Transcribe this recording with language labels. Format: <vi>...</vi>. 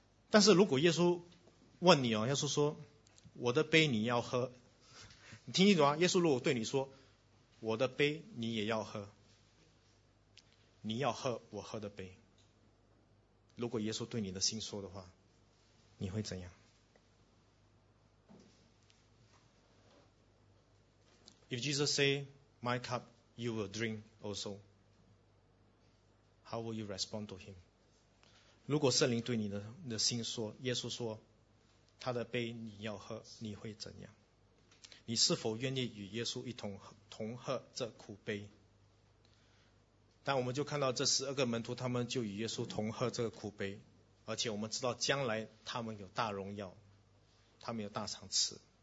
<zh>但是如果耶稣问你啊，耶稣说我的杯你要喝，你听清楚啊，耶稣如果对你说我的杯你也要喝，你要喝我喝的杯，如果耶稣对你的心说的话，你会怎样？</zh> <en>If Jesus say my cup you will drink also, how will you respond to him?</en> <zh>如果圣灵对你 的心说，耶稣说他的杯你要喝，你会怎样？你是否愿意与耶稣一同 同喝这苦杯？但我们就看到这十二个门徒，他们就与耶稣同喝这个苦杯，而且我们知道将来他们有大荣耀，他们有大赏赐。</zh>